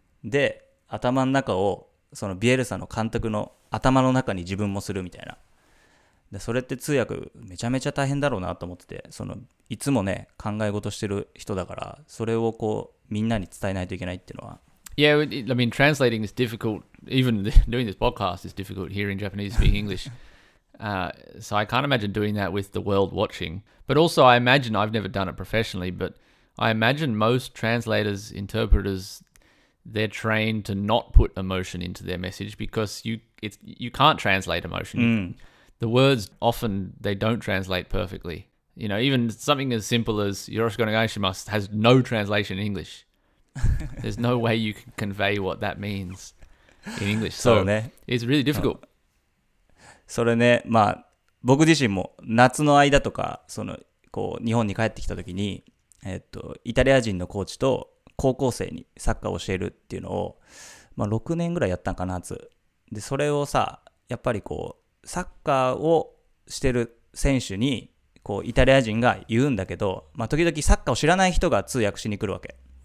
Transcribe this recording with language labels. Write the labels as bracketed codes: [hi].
[ja] で、頭の中をそのビエルサの監督の頭の中に自分もするみたいな。で、それって通訳めちゃめちゃ大変だろうなと思ってて、そのいつもね考え事してる人だから、それをこう。みんなに伝えないといけないっていうのは [en] Yeah, I mean, translating is difficult. Even doing this podcast is difficult hearing Japanese speak English. So I can't imagine doing that with the world watching. But also, I imagine, I've never done it professionally, but I imagine most translators, interpreters, they're trained to not put emotion into their message because you can't translate emotion. Mm. The words, often, they don't translate perfectly. You know, even something as simple as [ja] Yoroshiku onegai shimasu [en] has no translation in English. There's no way you can convey what that means in English. So, [ja] そうね。 [en] It's really difficult. [ja] それね、まあ僕自身も夏の間とかそのこう日本に帰ってきた時に、イタリア人のコーチと高校生にサッカーを教えるっていうのを、まあ、6年ぐらいやったんかな、夏で。それをさ、やっぱりこうサッカーをしてる選手にこうイタリア人が言うんだけど、まあ、時々サッカーを知らない人が通訳しに来るわけ。